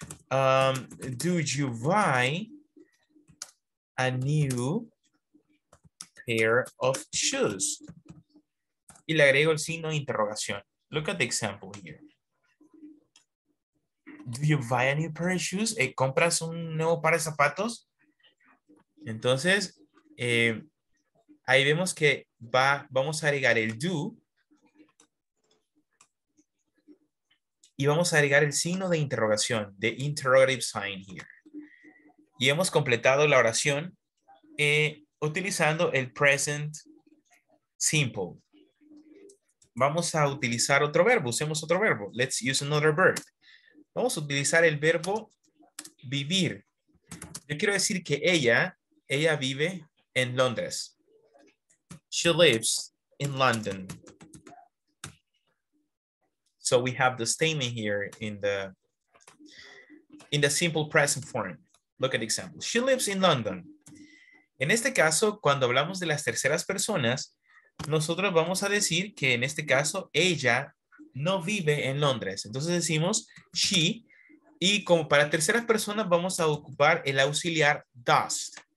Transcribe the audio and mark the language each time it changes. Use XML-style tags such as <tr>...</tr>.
<en>Do you buy a new pair of shoes?</en> <es>Y le agrego el signo de interrogación.</es> <en>Look at the example here. Do you buy a new pair of shoes?</en> <es>¿Compras un nuevo par de zapatos? Entonces, ahí vemos que vamos a agregar el do. Y vamos a agregar el signo de interrogación.</es> <en>The interrogative sign here.</en> <es>Y hemos completado la oración utilizando el present simple. Vamos a utilizar otro verbo. Usemos otro verbo.</es> <en>Let's use another verb.</en> <es>Vamos a utilizar el verbo vivir. Yo quiero decir que ella vive en Londres.</es> <en>She lives in London. So we have the statement here in the simple present form. Look at the example. She lives in London.</en> <es>En este caso, cuando hablamos de las terceras personas, nosotros vamos a decir que en este caso ella no vive en Londres. Entonces decimos she y como para terceras personas vamos a ocupar el auxiliar does.</es>